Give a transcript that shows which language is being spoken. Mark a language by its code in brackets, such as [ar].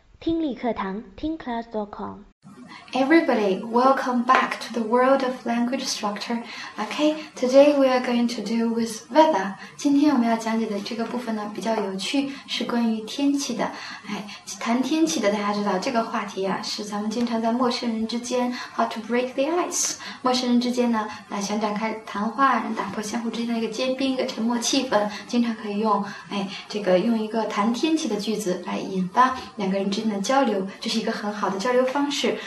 [zh] 听力课堂，听 class.com。 [en] Everybody, welcome back to the world of language structure. Okay, today we are going to deal with weather. [zh] 今天我们要讲解的这个部分呢比较有趣，是关于天气的。哎，谈天气的，大家知道这个话题啊，是咱们经常在陌生人之间 [en] how to break the ice. [zh] 陌生人之间呢，想展开谈话，能打破相互之间的一个坚冰、一个沉默气氛，经常可以用这个用一个谈天气的句子来引发两个人之间的交流，这是一个很好的交流方式。